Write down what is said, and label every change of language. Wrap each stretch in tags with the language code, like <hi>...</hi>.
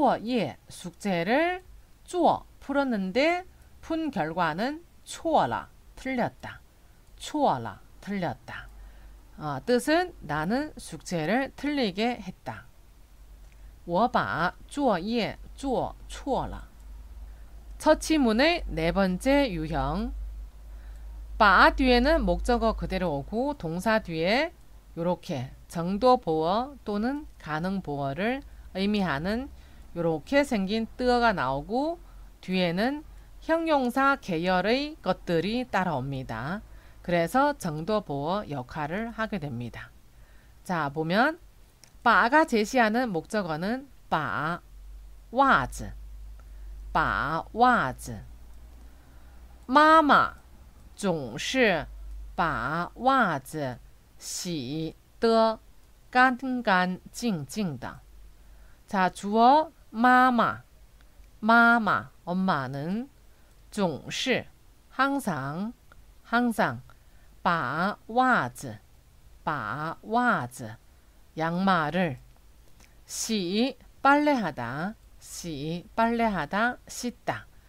<zh>我把作业做错了。作业숙제，作业숙제，把作业숙제를做 풀었는데 푼 결과는 错了 틀렸다.</zh> <ko>错了 틀렸다. 뜻은 나는 숙제를 틀리게 했다. 我把作业做错了. 처치문의 네 번째 유형. 바 뒤에는 목적어 그대로 오고 동사 뒤에 이렇게 정도 보어 또는 가능 보어를 의미하는 이렇게 생긴 뜨어가 나오고 뒤에는 형용사 계열의 것들이 따라옵니다. 그래서 정도 보어 역할을 하게 됩니다. 자, 보면 바가 제시하는 목적어는 바, 와즈, 바, 와즈.</ko> <zh>마마 总是把袜子洗得干干净净的.</zh> <ko>자, 주어 마마, 마마, 엄마는 总是 항상, 항상 把袜子 양말을 洗 빨래하다, 洗 빨래하다, 씻다.</ko>